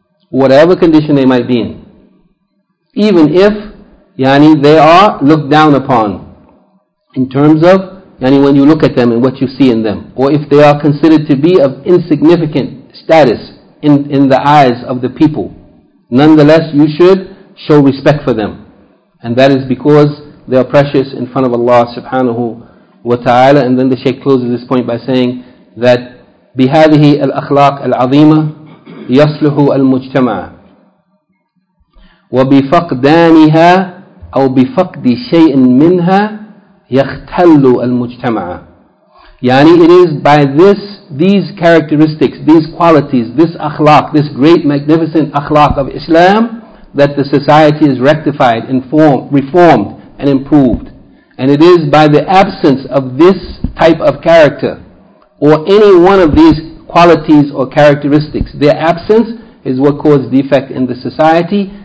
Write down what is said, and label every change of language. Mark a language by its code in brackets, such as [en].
[en] whatever condition they might be in. Even if yani they are looked down upon in terms of yani when you look at them and what you see in them, or if they are considered to be of insignificant status in the eyes of the people, nonetheless you should show respect for them. And that is because they are precious in front of Allah subhanahu wa ta'ala. And then the Shaykh closes this point by saying that [ar] بِهَذِهِ الْأَخْلَاقِ الْعَظِيمَةِ يَصْلُحُ الْمُجْتَمَعَ وَبِفَقْدَانِهَا أَوْ بِفَقْدِ شَيْءٍ مِنْهَا يَخْتَلُّ الْمُجْتَمَعَ. [en] Yani it is by this, these characteristics, these qualities, this akhlaq, this great magnificent akhlaq of Islam, that the society is rectified, informed, reformed and improved. And it is by the absence of this type of character, or any one of these qualities or characteristics, their absence is what caused defect in the society.